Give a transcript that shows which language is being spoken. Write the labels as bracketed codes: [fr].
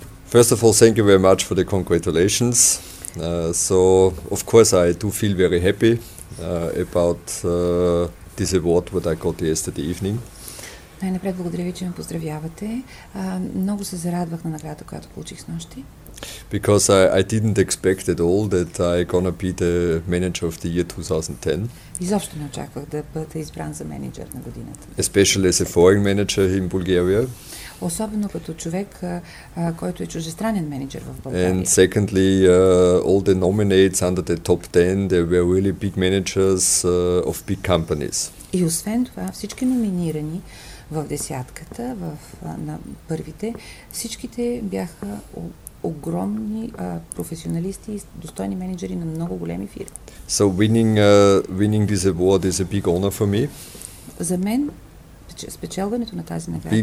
[en] First of all, thank you very much for the congratulations. So, of course, I do feel very happy about this award that I got yesterday evening. [bg] Най-напред благодаря ви, че ме поздравявате. Много се зарадвах на наградата, която получих снощи. [en] Because I didn't expect at all that I gonna be the manager of the year 2010. [bg] Изобщо не очаквах да бъда избран за менеджер на годината. [en] Especially as a foreign manager in Bulgaria. [bg] Особено като човек, който е чуждестранен менеджер в България. [en] And secondly, all the nominates under the top 10, they were really big managers of big companies. [bg] И освен това, всички номинирани в десятката, в на първите, всичките бяха огромни професионалисти и достойни менеджери на много големи фирми. [en] So winning this award is a big honor for me. [bg] За мен спечелването на тази награда.